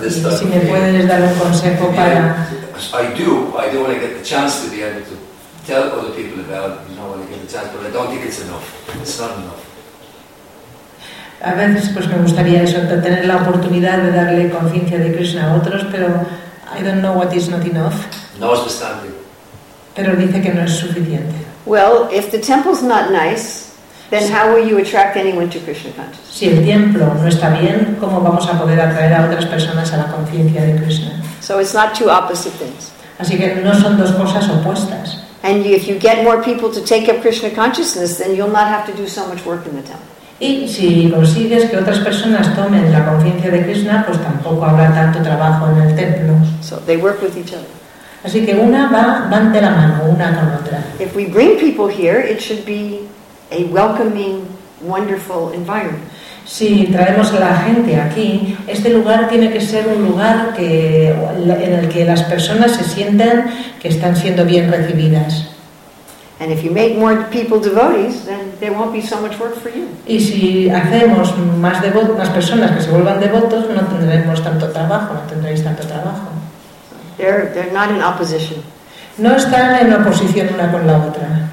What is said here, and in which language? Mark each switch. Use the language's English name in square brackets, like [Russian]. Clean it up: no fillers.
[Spanish] Si me puedes dar un consejo para. [English] I do want to get the chance to be able to tell other people about, you know, when I get the chance, but I don't think it's enough. It's not enough. [Spanish] A veces, pues me gustaría eso, tener la oportunidad de darle conciencia de Krishna a otros, pero [English] I don't know what is not enough. [Spanish] No es bastante. Pero dice que no es suficiente. [English] Well, if the temple's not nice, then how will you attract anyone to Krishna consciousness? [Spanish] Si el templo no está bien, ¿cómo vamos a poder atraer a otras personas a la conciencia de Krishna? [English] So it's not two opposite things. [Spanish] Así que no son dos cosas opuestas. [English] And if you get more people to take up Krishna consciousness, then you'll not have to do so much work in the temple. [Spanish] Y si consigues que otras personas tomen la conciencia de Krishna, pues tampoco habrá tanto trabajo en el templo. [English] So they work with each other. [Spanish] Así que una van de la mano, una con otra. [English] If we bring people here, it should be a welcoming, wonderful environment. [Spanish] Si traemos a la gente aquí, este lugar tiene que ser un lugar que, en el que las personas se sientan que están siendo bien recibidas. [English] And if you make more people devotees, then there won't be so much work for you. [Spanish] Y si hacemos más más personas que se vuelvan devotos, no tendremos tanto trabajo, no tendréis tanto trabajo. [English] They're not in opposition. [Spanish] No están en oposición una con la otra.